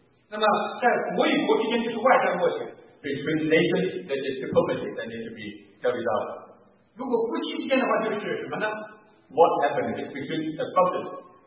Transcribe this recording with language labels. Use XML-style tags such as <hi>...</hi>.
<zh>那么在国与国之间就是外交斡旋。</zh> <en>Between nations, that is diplomacy that needs to be carried out.</en> <zh>如果夫妻之间的话，就是什么呢</zh> <en>？What happened is between the spouses.</en>